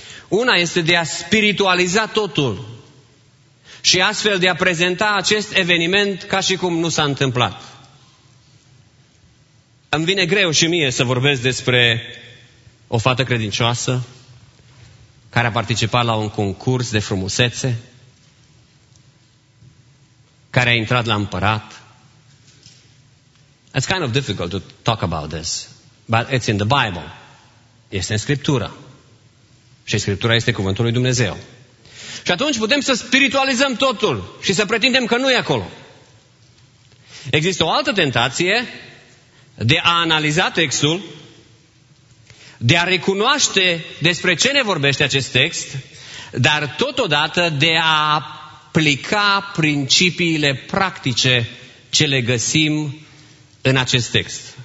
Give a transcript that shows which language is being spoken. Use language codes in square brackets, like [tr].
[ro] Una este de a spiritualiza totul și astfel de a prezenta acest eveniment ca și cum nu s-a întâmplat. Îmi vine greu și mie să vorbesc despre o fată credincioasă care a participat la un concurs de frumusețe, care a intrat la împărat. [en] It's kind of difficult to talk about this, but it's in the Bible. [ro] Este în Scriptură. Și Scriptura este cuvântul lui Dumnezeu. Și atunci putem să spiritualizăm totul și să pretindem că nu e acolo. Există o altă tentație de a analiza textul, de a recunoaște despre ce ne vorbește acest text, dar totodată de a aplica principiile practice ce le găsim în acest text.